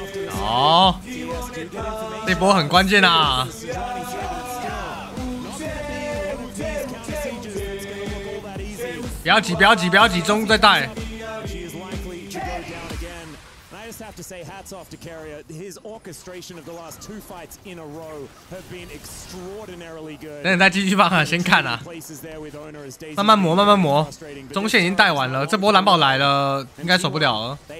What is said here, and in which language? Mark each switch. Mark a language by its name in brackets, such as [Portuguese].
[Chinese] 好，这波很关键啊，不要急，不要急，不要急，中路再带。 [English] I just have to say hats off to Carrier. His orchestration of the last two fights in a row have been extraordinarily good. [Chinese] 那你再继续放啊，先看啊。慢慢磨，慢慢磨。中线已经带完了，这波蓝宝来了，应该守不了了。